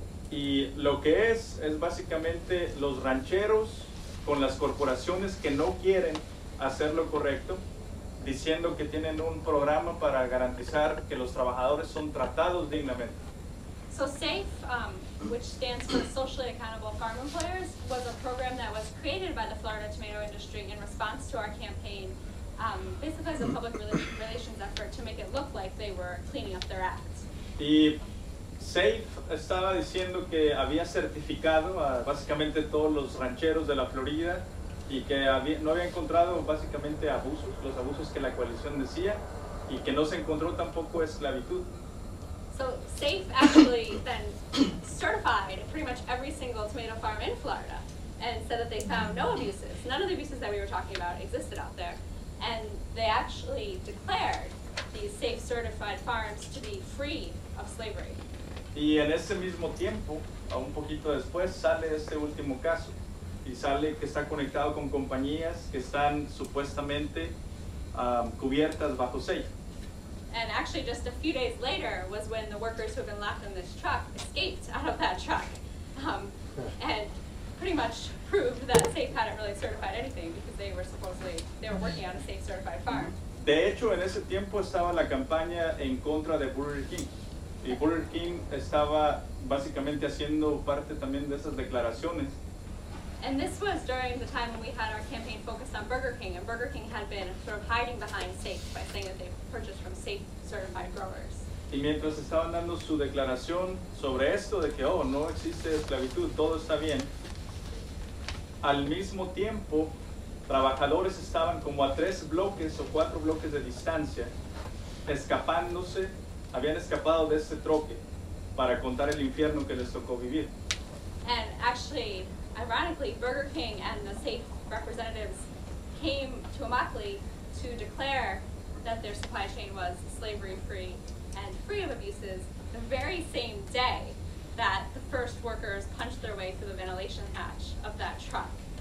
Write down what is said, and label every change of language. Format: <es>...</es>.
<es>Y lo que es básicamente los rancheros con las corporaciones que no quieren hacer lo correcto, diciendo que tienen un programa para garantizar que los trabajadores son tratados dignamente.</es> <en>So SAFE, which stands for Socially Accountable Farm Employers, was a program that was created by the Florida tomato industry in response to our campaign, basically as a public relations effort to make it look like they were cleaning up their act.</en> <es>Y SAFE estaba diciendo que había certificado a básicamente todos los rancheros de la Florida y que no había encontrado básicamente abusos, los abusos que la coalición decía, y que no se encontró tampoco esclavitud.</es> <en>So SAFE actually then certified pretty much every single tomato farm in Florida and said that they found no abuses. None of the abuses that we were talking about existed out there. And they actually declared these SAFE certified farms to be free of slavery.</en> <es>Y en ese mismo tiempo, un poquito después, sale este último caso. Y sale que está conectado con compañías que están supuestamente cubiertas bajo SAFE.</es> <en>And actually just a few days later was when the workers who had been locked in this truck escaped out of that truck and pretty much proved that SAFE hadn't really certified anything because they were working on a SAFE certified farm.</en> <es>De hecho, en ese tiempo estaba la campaña en contra de Burger King. Y Burger King estaba básicamente haciendo parte también de esas declaraciones.</es> <en>And this was during the time when we had our campaign focused on Burger King, and Burger King had been sort of hiding behind SAFE by saying that they purchased from SAFE certified growers.</en> <es>Y mientras estaban dando su declaración sobre esto, de que, oh, no existe esclavitud, todo está bien, al mismo tiempo, trabajadores estaban como a 3 bloques o 4 bloques de distancia, escapándose, habían escapado de ese troque para contar el infierno que les tocó vivir.</es> <en>And actually, ironically, Burger King and the SAFE representatives came to Immokalee to declare that their supply chain was slavery-free and free of abuses the very same day that the first workers punched their way through the ventilation hatch of that truck.</en>